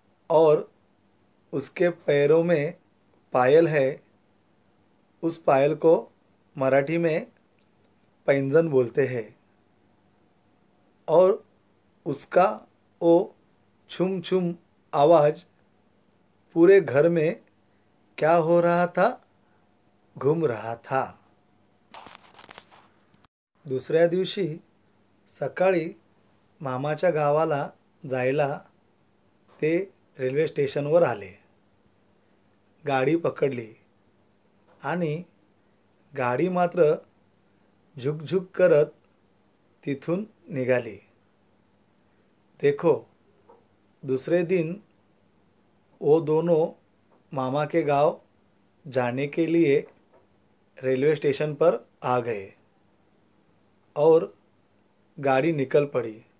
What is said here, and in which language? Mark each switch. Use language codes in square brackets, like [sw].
[hi] और उसके पैरों में पायल है, उस पायल को मराठी में पैंजन बोलते हैं और उसका वो छुम छुम आवाज़ पूरे घर में क्या हो रहा था, घूम रहा था। [mr] दुसऱ्या दिवशी सकाळी मामाच्या गावाला जायला ते रेल्वे स्टेशनवर आले, गाडी पकडली आणि गाडी मात्र झुकझुक करत तिथून निघाली। [hi] देखो, दुसरे दिन वो दोनों मामा के गाँव जाने के लिए रेलवे स्टेशन पर आ गए और गाड़ी निकल पड़ी।